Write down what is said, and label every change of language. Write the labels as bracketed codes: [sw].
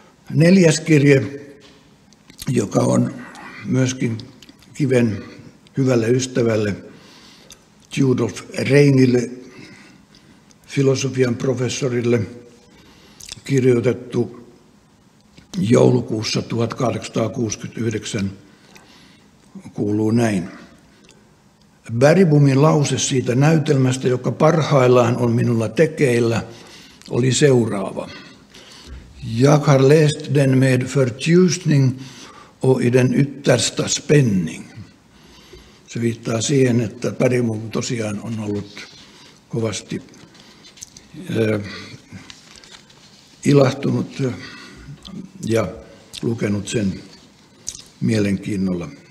[fi] Neljäs kirje, joka on myöskin Kiven hyvälle ystävälle, Judolf Reinille, filosofian professorille, kirjoitettu joulukuussa 1869, kuuluu näin. Bergbomin lause siitä näytelmästä, joka parhaillaan on minulla tekeillä, oli seuraava. [sv] Jag har läst den med förtjusning och i den yttersta spänning. [fi] Se viittaa siihen, että Bergbom tosiaan on ollut kovasti ilahtunut ja lukenut sen mielenkiinnolla.